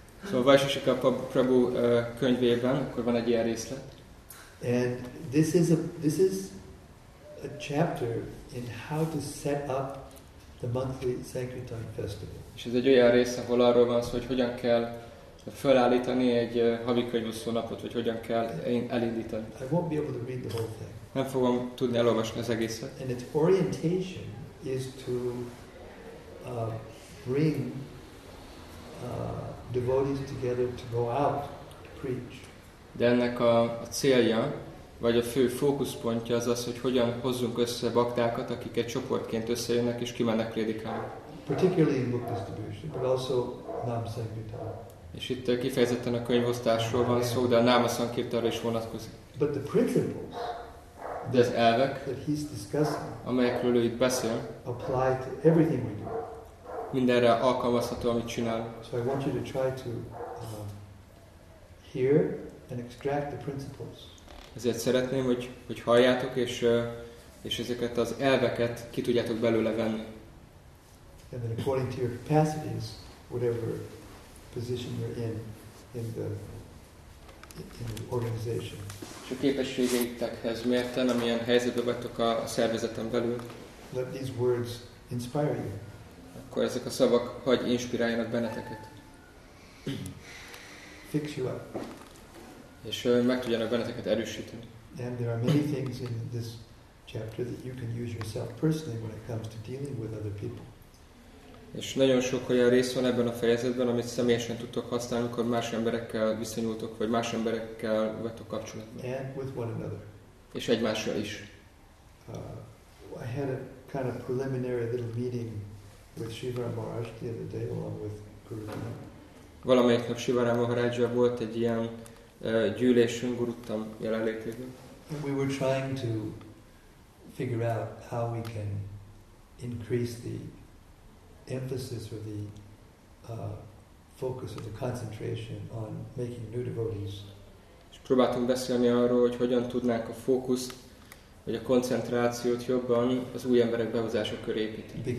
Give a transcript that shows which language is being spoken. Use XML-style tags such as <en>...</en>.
<hu>So Vaishnava Prabhu könyvében akkor van egy ilyen részlet.</hu> <en>And this is a chapter in how to set up the monthly Sankirtan festival.</en> <hu>És ez egy olyan rész, ahol arról van szó, hogy hogyan kell felállítani egy havi könyvosztó napot, vagy hogyan kell elindítani.</hu> <en>I won't be able to read the whole thing.</en> <hu>Nem fogom tudni elolvasni az egészet.</hu> <en>And its orientation is to bring devotees together to go out to preach.</en> <hu>De ennek a célja, vagy a fő fókuszpontja az az, hogy hogyan hozzunk össze baktákat, akik egy csoportként összejönnek és kimennek prédikálni.</hu> <en>Particularly in book distribution, but also nam sankirtan.</en> <hu>És itt kifejezetten a könyvosztásról van szó, de a náma szankirtanra is vonatkozik.</hu> <en>But the principles,</en> <hu>de az elvek,</hu> <en>that he's discussing,</en> <hu>amelyekről ő itt beszél,</hu> <en>apply to everything we do.</en> <hu>Mindenre alkalmazható, amit csinál.</hu> <en>So I want you to try to hear and extract the principles.</en> <hu>Ezért szeretném, hogy halljátok, és ezeket az elveket ki tudjátok belőle venni.</hu> <en>And then according to your capacities, whatever position you're in the organization.</en> <hu>És a képességeitekhez mérten, amilyen helyzetben vagytok a szervezeten belül.</hu> <en>Let these words inspire you.</en> <hu>Akkor ezek a szavak hagy inspiráljanak benneteket.</hu> <en>Fix you up.</en> <hu>És meg tudjanak benneteket erősíteni.</hu> <en>And there are many things in this chapter that you can use yourself personally when it comes to dealing with other people.</en> <hu>És nagyon sok olyan rész van ebben a fejezetben, amit személyesen tudtok használni, amikor más emberekkel viszonyultok, vagy más emberekkel vagytok kapcsolatban.</hu> <en>And with one another.</en> <hu>És egymással is.</hu> <en>I had a kind of preliminary little meeting with Sivaram Maharaj the other day along with Guru Tam.</en> <hu>Valamelyik nap Sivaram Maharajja volt egy ilyen gyűlésünk Guru Tam jelenlétében.</hu> <en>And we were trying to figure out how we can increase the emphasis or the focus of the concentration on making new devotees.</en> <hu>És próbáltunk beszélni arról, hogy hogyan tudnánk a fókuszt, vagy a koncentrációt jobban az új emberek behozása köré építeni.</hu>